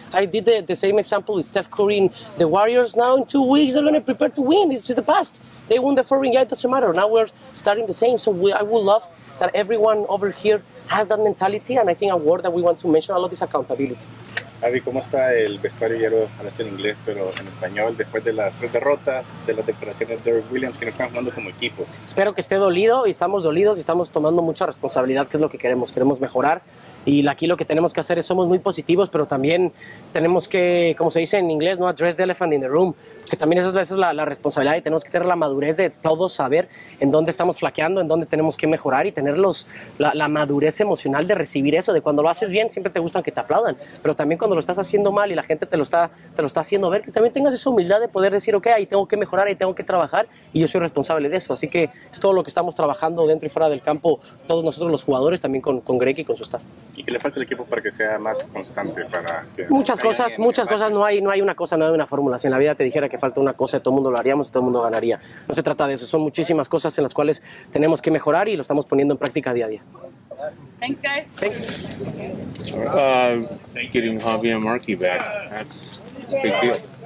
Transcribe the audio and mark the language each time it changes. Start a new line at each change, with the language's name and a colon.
English: I did the same example with Steph Curry and the Warriors. Now in 2 weeks, they're going to prepare to win. This is the past. They won the four ring. Yeah, it doesn't matter. Now we're starting the same. So I would love that everyone over here has that mentality. And I think a word that we want to mention a lot is accountability.
Spanish: Javi, ¿cómo está el vestuario? Ya lo hablaste en inglés, pero en español, después de las tres derrotas, de las declaraciones de Derrick Williams, que no están jugando como equipo. Espero que esté dolido, y estamos dolidos, y estamos tomando mucha responsabilidad, que es lo que queremos. Queremos mejorar, y aquí lo que tenemos que hacer es, somos muy positivos, pero también tenemos que, como se dice en inglés, no
English: address the elephant in the room,
Spanish: que también esa es la responsabilidad, y tenemos que tener la madurez de todos saber en dónde estamos flaqueando, en dónde tenemos que mejorar, y tener la madurez emocional de recibir eso, de cuando lo haces bien, siempre te gustan que te aplaudan, pero también cuando lo estás haciendo mal y la gente te lo está haciendo ver, que también tengas esa humildad de poder decir, ok, ahí tengo que mejorar, ahí tengo que trabajar, y yo soy responsable de eso. Así que es todo lo que estamos trabajando dentro y fuera del campo, todos nosotros los jugadores, también con Greg y con su staff. ¿Y qué le falta al equipo para que sea más constante? Muchas cosas. No hay una fórmula. Si en la vida te dijera que falta una cosa, todo el mundo lo haríamos y todo el mundo ganaría. No se trata de eso. Son muchísimas cosas en las cuales tenemos que mejorar y lo estamos poniendo en práctica día a día.
English: Thanks, guys. Thank you. Getting Javi and Marky back, that's a big deal.